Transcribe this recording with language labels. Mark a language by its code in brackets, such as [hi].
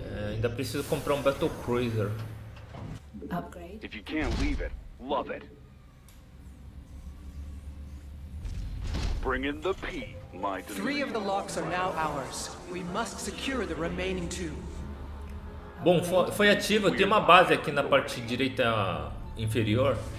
[pt] Ainda preciso comprar um Battle Cruiser. [en] Upgrade. If you can't leave it, love it. Bring in the P, my dude. Three of the locks are now ours. We must secure the remaining two. [pt] Bom, foi ativo. Tem uma base aqui na parte direita inferior.